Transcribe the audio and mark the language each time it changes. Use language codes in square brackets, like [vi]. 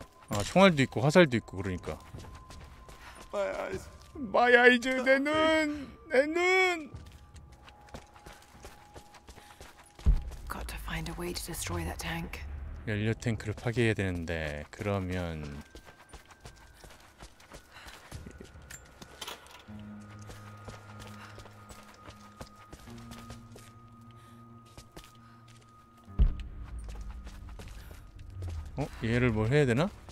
[ko] 아, 총알도 있고 화살도 있고 그러니까. [en] My eyes, my eyes, [ko] 내 눈, 내 눈. [en] Got to find a way to destroy that tank. [ko] 연료 탱크를 파괴해야 되는데 그러면 어 얘를 뭘 해야 되나?